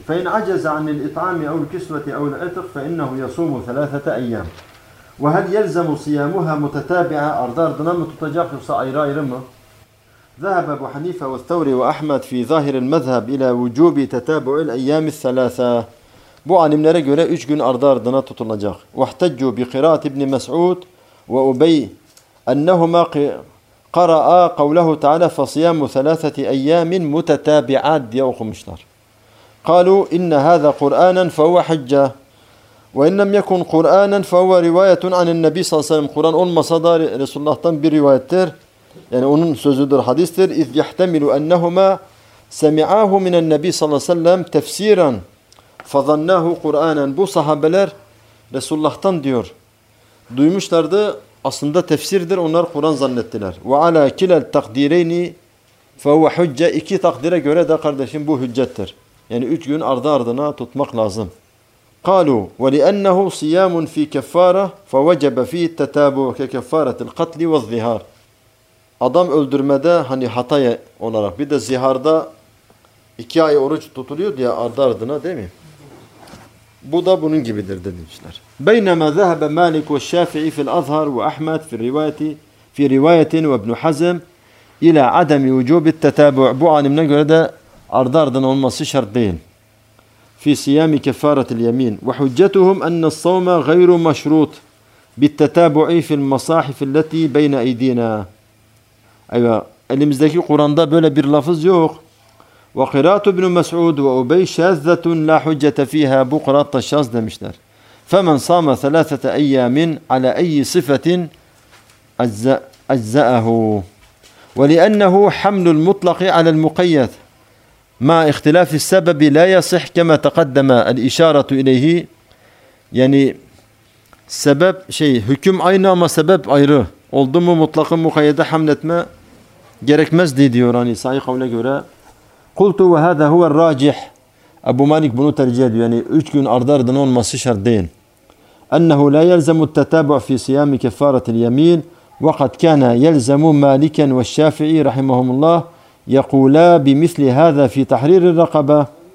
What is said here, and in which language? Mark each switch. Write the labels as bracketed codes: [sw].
[ar] فَاِنْ عَجَزَ عَنِ الْاِطْعَامِ اَوْ الْكِسْوَةِ اَوْ الْاَتِقْ فَاِنَّهُ يَصُومُ ثَلَاثَةَ اَيَّامِ. وَهَلْ يَلْزَمُ صِيَامُهَا مُتَتَابِعَ. [tr] Ardı ardına mı tutacak yoksa ayrı ayrı mı? [ar] ذَهَبَ أَبُو حَنِيفَ وَالثَّوْرِ وَأَحْمَدْ فِي ظَاهِرِ الْمَذْهَبِ اِلَى وُجُوبِ تَتَابُعِ الْاَيَّامِ الثَّلَاثَةِ. [tr] Bu alimlere göre 3 gün ardı ardına tutulacak. [ar] وَاَحْتَجُّ بِقِرَاةِ اِبْنِ مَسْعُودِ وَاُبَيْ اَنَّهُمَا قَرَآ قَوْلَهُ تَعَالَى فَصِيَامُ ثَلَاثَةِ اَيَّامٍ مُتَتَابِعَاتٍ [tr] diye okumuşlar. [ar] قَالُوا اِنَّ هَذَا قُرْآنًا فَهُوَ حَجَّةٌ وَاِنْ لَمْ يَكُنْ قُرْآنًا فَهُوَ رِوَايَةٌ عَنِ النَّبِي صَلَّى اللَّهُ عَلَيْهِ وَسَلَّمَ. [tr] Kur'an olmasa da Resulullah'tan bir rivayettir. Yani onun sözüdür, hadistir. [ar] اِذْ يَحْتَمِلُ اَنَّهُمَا سَمِعَاهُ مِنَ النَّبِي صَلَّى اللَّهُ عَلَيْهِ وَسَلَّمَ تَفْسِيرًا فَظَنَّاهُ قُرْآنًا. [tr] Bu sahabeler Resulullah'tan diyor duymuşlardı, aslında tefsirdir, onlar Kur'an zannettiler. [ar] وَعَلَى كِلَ الْتَقْدِيرَيْنِ فَهُوَ حُجَّةٌ. [tr] İki takdire göre de kardeşim bu hüccettir. Yani 3 gün ardı ardına tutmak lazım. [ar] قَالُوا وَلِأَنَّهُ صِيَامٌ فِي كَفَّارَةٍ فَوَجَبَ فِي التَّتَابُعِ كَكَفَّارَةِ الْقَتْلِ وَالظِّهَارِ. [tr] Adam öldürmede hani hata olarak, bir de ziharda 2 ay oruç tutuluyor ya ardı ardına değil mi? Bu da bunun gibidir demişler. [ar] بينما ذهب مالك والشافعي في الأظهر وأحمد في الرواية في رواية وابن حزم إلى عدم وجوب التتابع. [tr] Bu alimine göre de ardı ardına olması şart değil. [ar] في صيام كفارة اليمين وحجتهم أن الصوم غير مشروط بالتتابع في المصاحف التي بين أيدينا. أيوة. [tr] Elimizdeki Kur'an'da böyle bir lafız yok. [ar] وقراءة ابن مسعود وأبي شاذة لا حجة فيها. [tr] Bu [ar] قراءة الشاذ [tr] demişler. [ar] فمن صام ثلاثة أيام على أي صفة أجزأه. ولأنه حمل المطلق على المقيد مع اختلاف السبب لا يصح كما تقدم الإشارة إليه. [tr] يعني سبب شيء حكم أين ما سبب أيره أولدم مطلق مقيد حملت ما gerekmez diyor. Yani sahih kavle göre. [ar] قُلْتُ وَهَذَا هُوَ الرَّاجِحِ. [tr] Ebu Malik bunu tercih ediyor. Yani 3 gün ardı ardına olması şart değil. [ar] اَنَّهُ لَا يَلْزَمُ التَّتَابُعُ فِي سِيَامِ كَفَّارَةِ الْيَمِينَ وَقَدْ كَانَ يَلْزَمُ مَالِكًا وَالشَّافِعِي رَحِمَهُمُ اللّٰهِ يَقُولَا بِمِثْلِ هَذَا فِي تَحْرِيرِ الرَّقَبَةِ.